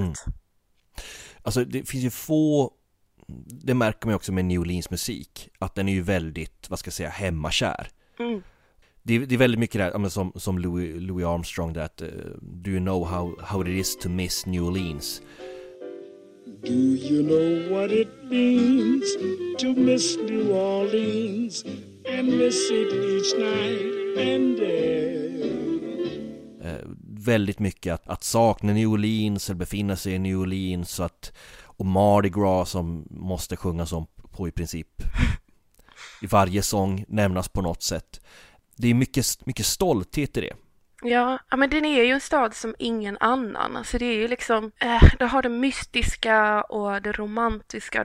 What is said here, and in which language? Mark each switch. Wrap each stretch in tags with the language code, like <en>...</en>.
<sv>Mm. Alltså det finns ju få. Det märker man också med New Orleans musik, att den är ju väldigt, vad ska jag säga, hemmakär. Mm. Det är väldigt mycket där, som</sv> <en>Louis Armstrong, that do you know how it is to miss New Orleans? Do you know what it means to miss New Orleans and miss it each night and day?</en> <sv>Väldigt mycket att sakna New Orleans eller befinna sig i New Orleans, så att, och Mardi Gras som måste sjungas om på i princip i varje sång, nämnas på något sätt. Det är mycket, mycket stolthet i det. Ja, men den är ju en stad som ingen annan. Alltså det är ju liksom, du har det mystiska och det romantiska.</sv>